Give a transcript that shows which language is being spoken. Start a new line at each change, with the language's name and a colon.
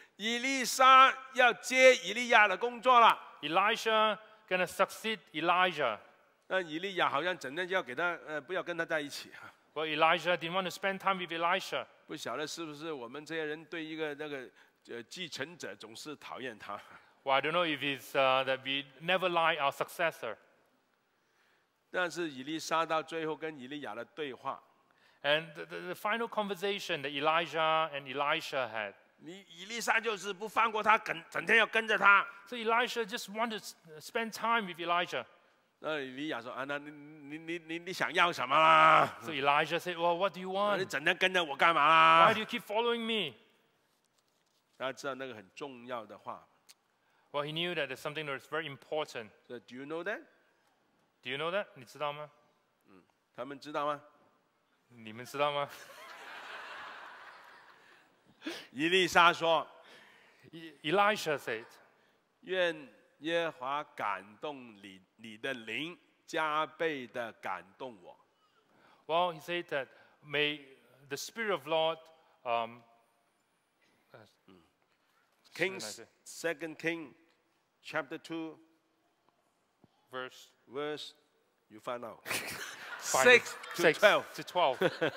Chinese: 以利沙要接以利亚的工作了。
English: Elisha going to succeed Elijah.
Chinese: 那以利亚好像整天就要给他不要跟他在一起。
English: Well, Elijah didn't want to spend time with Elisha.
Chinese: 不晓得是不是我们这些人对一个那个继承者总是讨厌他。
English: Well, I don't know if it's that we never like our successor.
Chinese: 但是以利沙到最后跟以利亚的对话。
English: And the final conversation that Elijah and Elisha had.
Chinese: 以利沙就是不放过他，整天要跟着他。
English: So Elisha just wanted to spend time with Elijah.
Chinese: 那以利亚说，啊，那你想要什么啦？
English: So Elijah said, well, what do you want?
Chinese: 你整天跟着我干嘛啦？
English: Why do you keep following me?
Chinese: 大家知道那个很重要的话。
English: Well, he knew that there's something that was very important. So, do you know that? Do you know that?
Chinese: 你知道吗？他们知道吗？你们知道吗？以利沙说
English: ，Elisha said,
Chinese: 愿耶和华感动你的灵，加倍的感动我。
English: Well, he said that may the Spirit of Lord Kings, 2 Kings, chapter 2, verse, you find out. 6 to 12.